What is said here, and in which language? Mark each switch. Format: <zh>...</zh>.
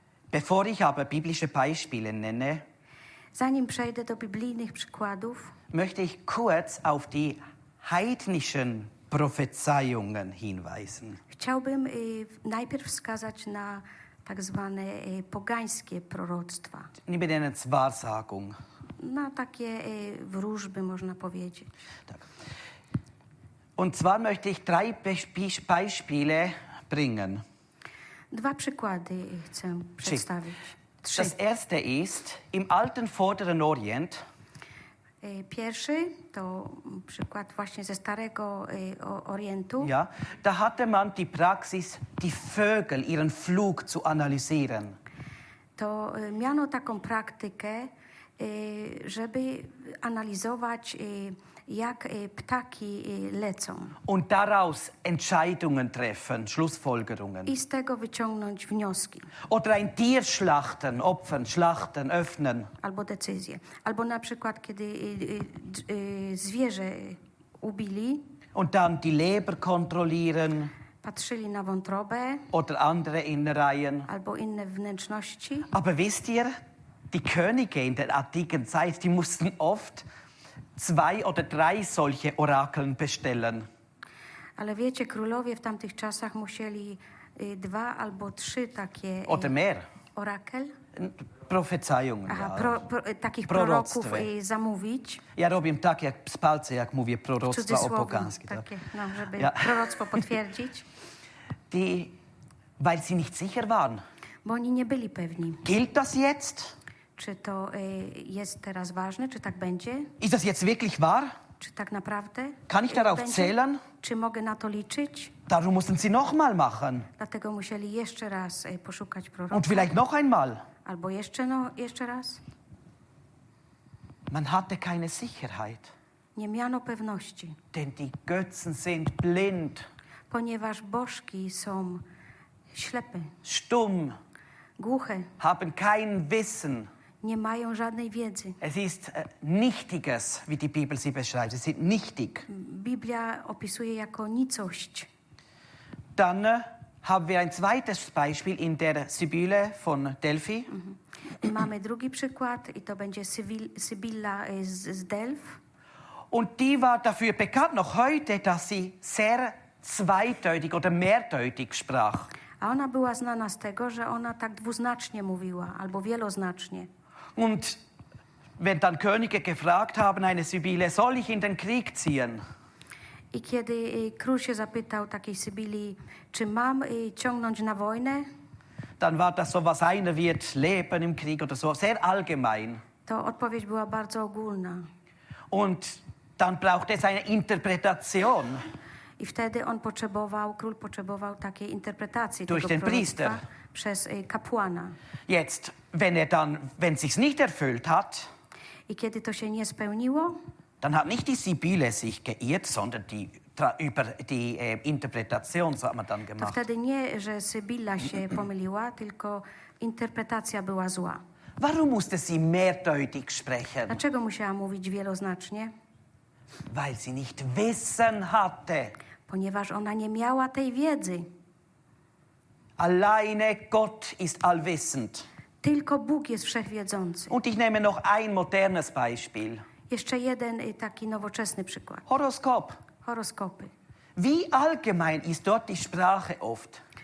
<de>Bevor ich aber biblische Beispiele nenne,</de> <pl>zanim przejdę do biblijnych przykładów,</pl> <de>möchte ich kurz auf die heidnischen Prophezeiungen hinweisen.</de> <pl>Chciałbym najpierw wskazać na tak zwane pogańskie proroctwa. Nie będę nic wahrsagung. Na takie wróżby można powiedzieć. Tak.</pl> <de>Und zwar möchte ich drei Beispiele bringen.</de> <pl>Dwa przykłady chcę przedstawić. Trzy.</pl> <de>Das erste ist im alten Vorderen Orient.</de> <pl>Pierwszy to przykład właśnie ze Starego Orientu.</pl> <de>Ja, da hatte man die Praxis, die Vögel, ihren Flug zu analysieren.</de> <pl>To miano taką praktykę, żeby analizować, jak ptaki lecą.</pl> <de>Und daraus Entscheidungen treffen, Schlussfolgerungen.</de> <pl>I z tego wyciągnąć wnioski.</pl> <de>Oder ein Tier schlachten, opfern, schlachten, öffnen.</de> <pl>Albo decyzje. Albo na przykład, kiedy zwierzę ubili.</pl> <de>Und dann die Leber kontrollieren.</de> <pl>Patrzyli na wątrobę.</pl> <de>Oder andere Innereien.</de> <pl>Albo inne wnętrzności.</pl> <de>Aber wisst ihr, die Könige in der antiken Zeit, die mussten oft zwei oder drei solche Orakeln bestellen.</de> <pl>Ale wiecie, królowie w tamtych czasach musieli dwa albo trzy takie</pl> <de>oder mehr. Orakel? Prophezeiungen, aha, ja.</de> <pl>Takich proroków zamówić. Ja robię tak jak z palce, jak mówię proroctwa opogańskie. Tak? Takie, no, żeby ja. Proroctwo potwierdzić.</pl> <de>Die, weil sie nicht sicher waren.</de> <pl>Bo oni nie byli pewni.</pl> <de>Gilt das jetzt?</de> <pl>Czy to jest teraz ważne, czy tak będzie?</pl> <de>Ist das jetzt wirklich wahr?</de> <pl>Czy tak naprawdę?</pl> <de>Kann ich darauf zählen?</de> <pl>Czy mogę na to liczyć?</pl> <de>Darum mussten sie noch mal machen.</de> <pl>Dlatego musieli jeszcze raz poszukać proroka.</pl> <de>Und vielleicht noch einmal.</de> <pl>Albo jeszcze, no, jeszcze raz.</pl> <de>Man hatte keine Sicherheit.</de> <pl>Nie miano pewności.</pl> <de>Denn die Götzen sind blind.</de> <pl>Ponieważ bożki są ślepe.</pl> <de>Stumm.</de> <pl>Głuche.</pl> <de>Haben kein Wissen.</de> <pl>Nie mają żadnej wiedzy.</pl> <de>Es ist nichtiges, wie die Bibel sie beschreibt. Es ist nichtig.</de> <pl>Biblia opisuje jako nicość.</pl> <de>Dann haben wir ein zweites Beispiel in der Sibylle von Delphi. Mhm.</de> <pl>Mamy drugi przykład i to będzie Sybilla z Delf.</pl> <de>Und die war dafür bekannt noch heute, dass sie sehr zweideutig oder mehrdeutig sprach.</de> <pl>A ona była znana z tego, że ona tak dwuznacznie mówiła, albo wieloznacznie.</pl> <de>Und wenn dann Könige gefragt haben, eine Sibylle, soll ich in den Krieg ziehen?</de> <pl>I kiedy król się zapytał takiej Sybili, czy mam ciągnąć na wojnę?</pl> <de>Dann war das so was eine wird leben im Krieg oder so sehr allgemein.</de> <pl>To odpowiedź była bardzo ogólna.</pl> <de>Und dann braucht es eine Interpretation.</de> <pl>I wtedy on potrzebował, król potrzebował takiej interpretacji</pl> <de>durch den Priester.</de> <pl>Przez kapłana.</pl> <de>Jetzt, wenn dann, wenn sich's nicht erfüllt hat,</de> <pl>i kiedy to się nie spełniło,</pl> <de>dann hat nicht die Sibylle sich geirrt, sondern die Interpretation, so hat man dann gemacht.</de> <pl>To wtedy nie, że Sybilla się pomyliła, tylko interpretacja była zła.</pl> <de>Warum musste sie mehrdeutig sprechen?</de> <pl>Dlaczego musiała mówić wieloznacznie?</pl> <de>Weil sie nicht wissen hatte.</de> <pl>Ponieważ ona nie miała tej wiedzy.</pl> <de>Alleine Gott ist allwissend.</de> <pl>Tylko Bóg jest wszechwiedzący.</pl> <de>Und ich nehme noch ein modernes Beispiel.</de> <pl>Jeszcze jeden taki nowoczesny przykład.</pl> <de>Horoskop.</de> <pl>Horoskopy.</pl> <de>Wie allgemein ist dort die Sprache oft?</de>